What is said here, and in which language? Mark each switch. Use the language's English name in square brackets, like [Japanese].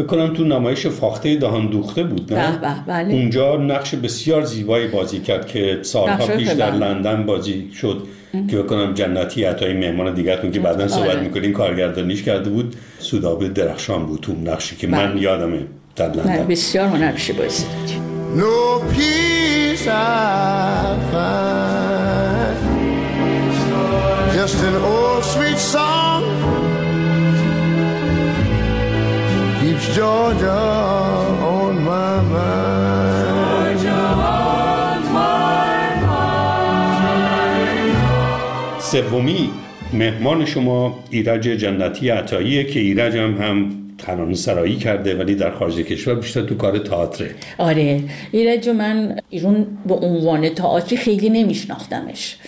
[Persian] فکر کنم تو نمایش فاخته دهان دوخته بود نه؟ به به بله. اونجا نقش بسیار زیبایی بازی کرد که سالها پیش در لندن بازی شد که فکر کنم جنتی عطای مهمان دیگرتون که بعدن صحبت میکنیم کارگردانیش کرده بود، سودابه درخشان بود تو نقشی که من یادمه در لندن. بسیار هنرمند بازی کرد. [English] No peace I find, just an old sweet song keeps Georgia on my mind. Georgia on my mind. [Persian] سومی مهمان شما ایرج جنتی عطاییه که ایرج هم ترانه سرایی کرده ولی در خارج کشور بیشتر تو کار تئاتره. آره ایرج، من ایرون به عنوان تئاتری خیلی نمیشناختمش.